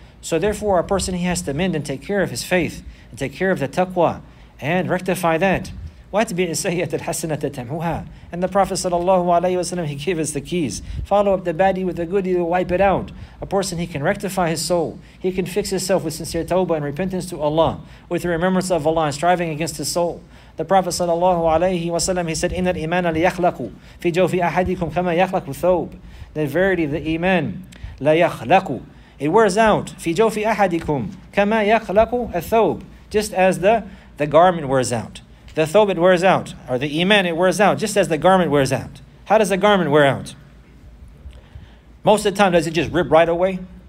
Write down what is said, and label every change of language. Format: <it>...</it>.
<en>So therefore, a person, he has to mend and take care of his faith, and take care of the taqwa, and rectify that. And the Prophet ﷺ, he gave us the keys. Follow up the baddie with the goodie, he'll wipe it out. A person, he can rectify his soul. He can fix himself with sincere tawbah and repentance to Allah, with the remembrance of Allah and striving against his soul. The Prophet ﷺ, he said,</en> <ar>إِنَّ الْإِيمَانَ لِيَخْلَقُ فِي جَوْفِ أَحَدِكُمْ كَمَا يَخْلَقُ ثَوْبُ.</ar> <en>The verity of the iman,</en> <ar>لَيَخْلَقُ,</ar> <en>it wears out,</en> <ar>فِي جَوْفِ أَحَدِكُمْ كَمَا يَخْلَقُ الثَّوْبُ,</ar> <en>just as the garment wears out. The thawb, it wears out, or the iman, it wears out, just as the garment wears out. How does the garment wear out? Most of the time, does it just rip right away?</en>